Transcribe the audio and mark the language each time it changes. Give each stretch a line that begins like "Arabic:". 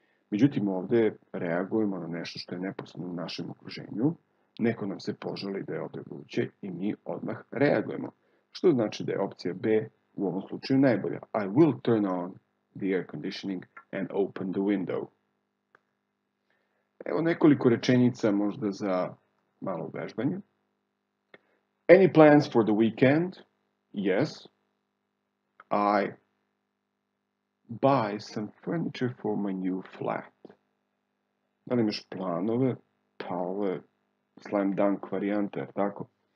Bosnian: Međutim, ovdje reagujemo na nešto što je neposredno u našem okruženju. Neko nam se poželi da je ovdje vruće i mi odmah reagujemo. Što znači da je opcija B u ovom slučaju najbolja.
English: I will turn on the air conditioning and open the window.
Bosnian: Evo nekoliko rečenica možda za malo vežbanje.
English: Any plans for the weekend? Yes. I buy some furniture for my new flat.
Bosnian: Da li imaš planove? Pa ovo je slam dunk varijanta, tako?